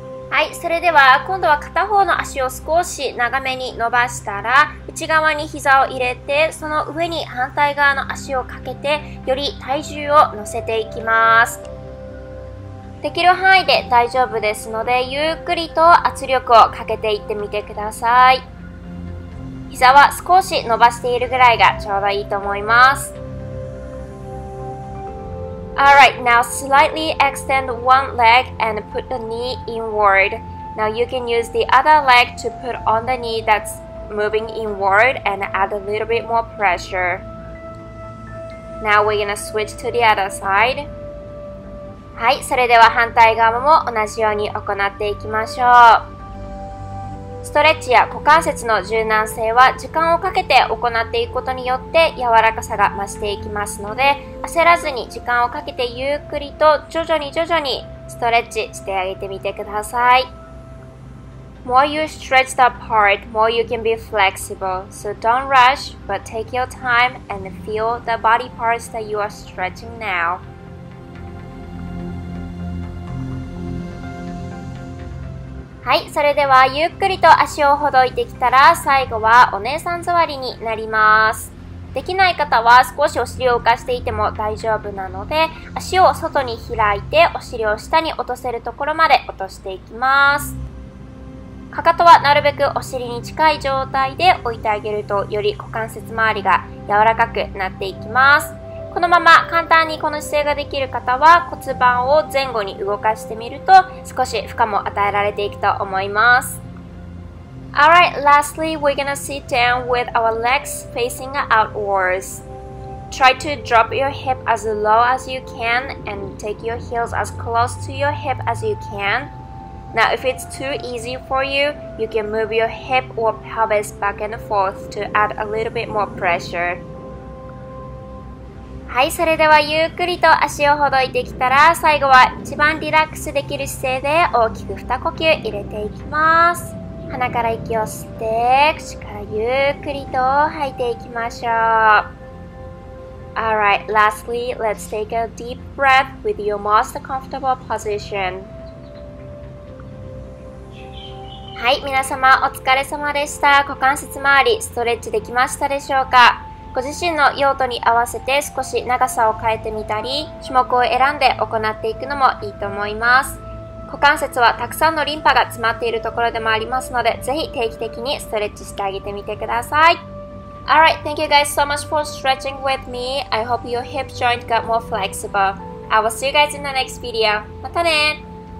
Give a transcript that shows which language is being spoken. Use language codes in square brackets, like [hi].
[ja] はい、それでは今度は片方の足を少し長めに伸ばしたら、内側に膝を入れて、その上に反対側の足をかけて、より体重を乗せていきます。できる範囲で大丈夫ですので、ゆっくりと圧力をかけていってみてください。膝は少し伸ばしているぐらいがちょうどいいと思います。 [en] Alright, now slightly extend one leg and put the knee inward. Now you can use the other leg to put on the knee that's moving inward and add a little bit more pressure. Now we're gonna switch to the other side. [ja] はい、それでは反対側も同じように行っていきましょう。ストレッチや股関節の柔軟性は時間をかけて行っていくことによって柔らかさが増していきますので、焦らずに時間をかけてゆっくりと徐々にストレッチしてあげてみてください。 [en] More you stretch the part, more you can be flexible. So don't rush, but take your time and feel the body parts that you are stretching now. [ja] はい、それではゆっくりと足をほどいてきたら、最後はお姉さん座りになります。できない方は少しお尻を浮かしていても大丈夫なので、足を外に開いてお尻を下に落とせるところまで落としていきます。かかとはなるべくお尻に近い状態で置いてあげると、より股関節周りが柔らかくなっていきます。このまま簡単にこの姿勢ができる方は、骨盤を前後に動かしてみると少し負荷も与えられていくと思います。 [en] Alright, lastly, we're gonna sit down with our legs facing outwards. Try to drop your hip as low as you can and take your heels as close to your hip as you can. Now, if it's too easy for you, you can move your hip or pelvis back and forth to add a little bit more pressure. [ja] はい、それではゆっくりと足をほどいてきたら、最後は一番リラックスできる姿勢で大きく2呼吸入れていきます。鼻から息を吸って、口からゆっくりと吐いていきましょう。 [en] Alright, lastly, let's take a deep breath with your most comfortable position. [ja] はい、皆様お疲れ様でした。股関節周りストレッチできましたでしょうか。ご自身の用途に合わせて少し長さを変えてみたり、種目を選んで行っていくのもいいと思います。股関節はたくさんのリンパが詰まっているところでもありますので、ぜひ定期的にストレッチしてあげてみてください。 [en] Alright, thank you guys so much for stretching with me. I hope your hip joint got more flexible. I will see you guys in the next video. [ja] またねー!